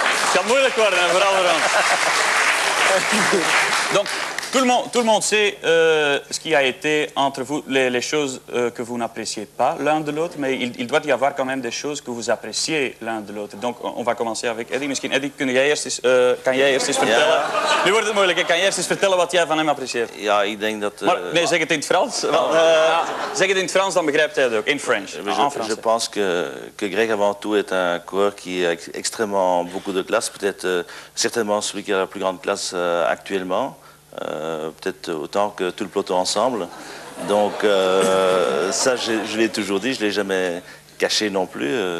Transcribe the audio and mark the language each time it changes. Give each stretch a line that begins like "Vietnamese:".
Dutch: C'est moeilijk worden, hein, vooral erom.
French: Donc, tout le monde sait ce qui a été entre vous, les choses que vous n'appréciez pas l'un de l'autre, mais il doit y avoir quand même des choses que vous appréciez l'un de l'autre. Donc, on va commencer avec Eddie.
Dutch: Misschien, Eddie, kan jij eerst eens vertellen? Ja. Nu wordt het moeilijk. Kan jij eerst eens vertellen wat jij van hem apprecieert? Ja, ik denk dat... Zeg het in het Frans. Zeg het in het Frans, dan begrijpt hij het ook.
English: In French.
French: Je pense que Greg, avant tout, est un coureur qui a extrêmement beaucoup de classe. Peut-être, certainement, celui qui a la plus grande classe actuellement. Peut-être autant que tout le peloton ensemble. Donc ça, je l'ai toujours dit, je ne l'ai jamais caché non plus.